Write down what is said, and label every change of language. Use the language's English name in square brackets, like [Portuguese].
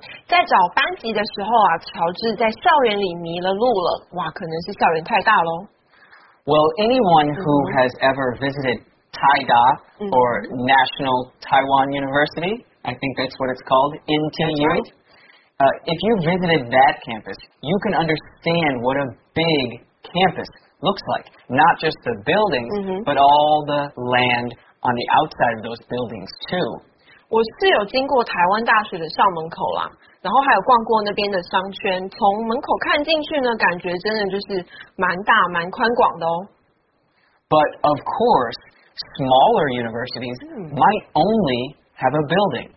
[Chinese] 在找班级的时候啊，乔治在校园里迷了路了。哇，可能是校园太大咯。 [English] Well, anyone who has ever visited Taida or National Taiwan University, I think that's what it's called, NTU, if you visited that campus, you can understand what a big campus looks like. Not just the buildings, but all the landOn the outside of those buildings too. [Chinese] 我是有经过台湾大学的校门口啦，然后还有逛过那边的商圈。从门口看进去呢，感觉真的就是蛮大、蛮宽广的哦。 [English] But of course, smaller universities might only have a building.